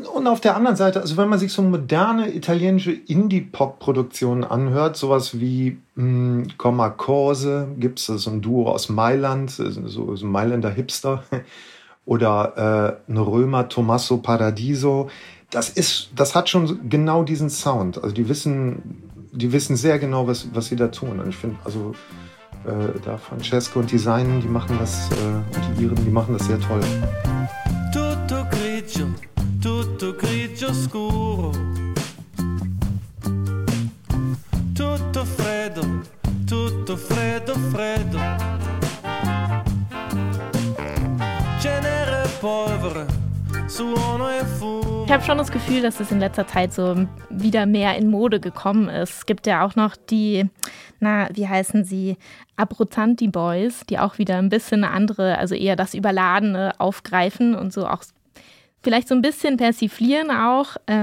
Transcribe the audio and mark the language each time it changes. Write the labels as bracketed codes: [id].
[de] Und auf der anderen Seite, also wenn man sich so moderne italienische Indie-Pop-Produktionen anhört, sowas wie Comma Cose, gibt es so ein Duo aus Mailand, so ein Mailänder Hipster, oder ein Römer Tommaso Paradiso, das hat schon genau diesen Sound. Also die wissen sehr genau, was sie da tun. Und ich finde, also da Francesco und die Seinen, die machen das, und die Iren, die machen das sehr toll. [it] Tutto grigio, tutto grigio scuro. Tutto freddo, tutto freddo freddo. Cenere e polvere, suono e fumo. [de] Ich habe schon das Gefühl, dass es in letzter Zeit so wieder mehr in Mode gekommen ist. Es gibt ja auch noch die, na, wie heißen sie, Abruzzanti Boys, die auch wieder ein bisschen andere, also eher das Überladene aufgreifen und so auch vielleicht so ein bisschen persiflieren auch.